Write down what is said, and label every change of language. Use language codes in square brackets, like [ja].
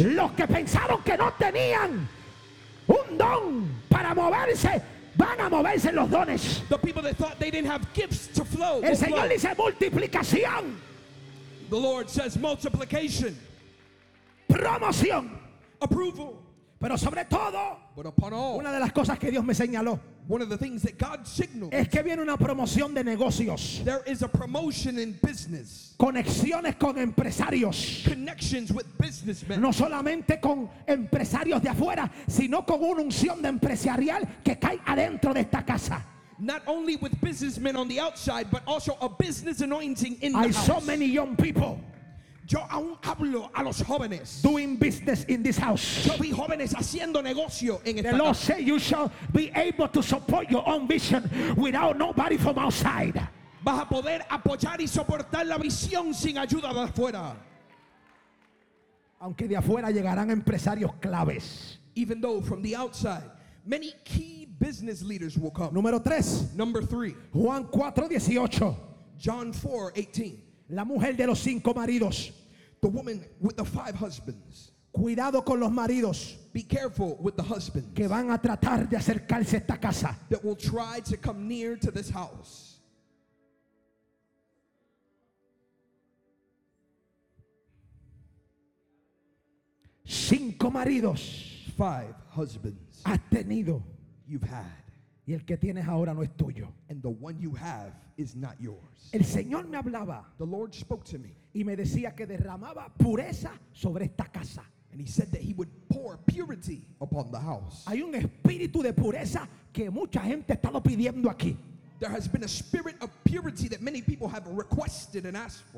[es] Los que pensaron que no tenían un don para moverse van a moverse los dones. [en] The people that thought they didn't have gifts to flow. [es] El Señor dice multiplicación. [en] The Lord says multiplication. [es] Promoción. [en] Approval. [es] Pero sobre todo, [en] but upon all, [es] una de las cosas que Dios me señaló, [en] one of the things that God signaled, [es] es que viene una promoción de negocios. [en] There is a promotion in business. [es] Conexiones con empresarios. [en] Connections with businessmen. [es] No solamente con empresarios de afuera, sino con una unción de empresarial que cae adentro de esta casa. [en] Not only with businessmen on the outside, but also a business anointing in the house. I saw many young people. [es] Yo aún hablo a los jóvenes. [en] Doing business in this house. [es] Yo vi jóvenes haciendo negocio en esta [en] casa. The Lord [es] casa. [en] Say you shall be able to support your own vision without nobody from outside. [es] Vas a poder apoyar y soportar la visión sin ayuda de afuera. Aunque de afuera llegarán empresarios claves. [en] Even though from the outside, many key business leaders will come. [es] Número 3. [en] Number 3. [es] Juan 4:18. [en] John 4:18. [es] La mujer de los cinco maridos. [en] The woman with the five husbands. [es] Cuidado con los maridos. [en] Be careful with the husbands. [es] Que van a tratar de acercarse a esta casa. [en] That will try to come near to this house. [es] Cinco maridos. [en] Five husbands. [es] Has tenido. [en] You've had. [es] Y el que tienes ahora no es tuyo. [en] And the one you have is not yours. [es] El Señor me hablaba. [en] The Lord spoke to me. [es] Y me decía que derramaba pureza sobre esta casa. [en] And he said that he would pour purity upon the house. [es] Hay un espíritu de pureza que mucha gente está lo pidiendo aquí. [en] There has been a spirit of purity that many people have requested and asked for.